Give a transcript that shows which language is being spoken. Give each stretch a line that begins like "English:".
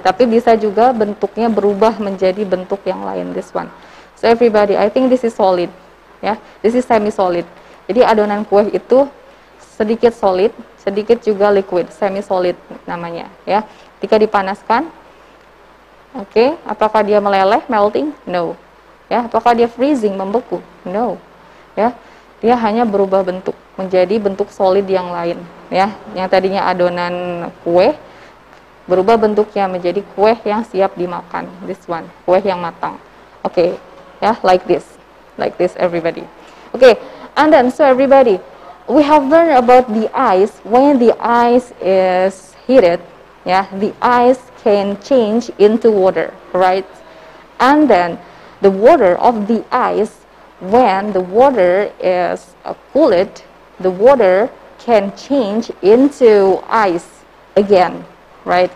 Indonesian: Tapi bisa juga bentuknya berubah menjadi bentuk yang lain,
English: this one. So everybody, I think this is solid, ya. This is semi-solid.
Indonesian: Jadi adonan kue itu sedikit solid, sedikit juga liquid, semi-solid namanya, ya. Ketika dipanaskan, oke, apakah dia meleleh, melting? No. Ya, apakah dia freezing, membeku? No. Ya, dia hanya berubah bentuk menjadi bentuk solid yang lain, ya. Yang tadinya adonan kue berubah bentuknya menjadi kue yang siap dimakan,
English: this one,
Indonesian: kue yang matang.
English: Oke, okay. Ya, like this everybody. Oke, okay. And then so everybody, we have learned about the ice. When the ice is heated, ya, the ice can change into water, right? And then the water of the ice, when the water is cooled, the water can change into ice again, right?